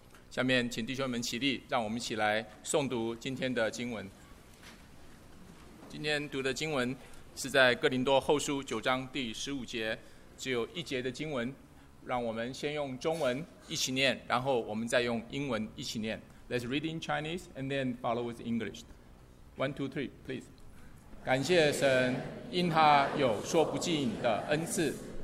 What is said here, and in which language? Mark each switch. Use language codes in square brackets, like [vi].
[zh] 下面请弟兄们起立，让我们一起来诵读今天的经文。今天读的经文是在哥林多后书9章第15节，只有一节的经文，让我们先用中文一起念，然后我们再用英文一起念。 [en] Let's read in Chinese and then follow with English. 1, 2, 3, please. [zh] 感谢神，因他有说不尽的恩赐。